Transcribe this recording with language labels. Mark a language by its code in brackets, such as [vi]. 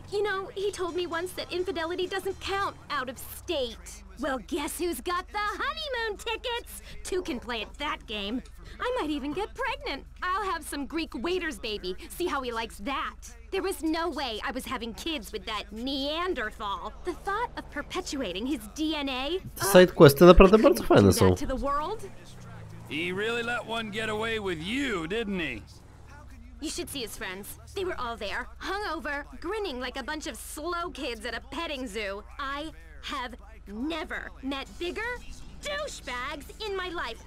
[en] You know, he told me once that infidelity doesn't count out of state. Well, guess who's got the honeymoon tickets? Two can play at that game. I might even get pregnant. I'll have some Greek waiter's baby. See how he likes that. There was no way I was having kids with that Neanderthal. The thought of perpetuating his DNA. [pl] Side questy naprawdę bardzo fajne są. [en] He really let one get away with you, didn't he? You should see his friends. They were all there, hungover, grinning like a bunch of slow kids at a petting zoo. I have never met bigger douchebags in my life.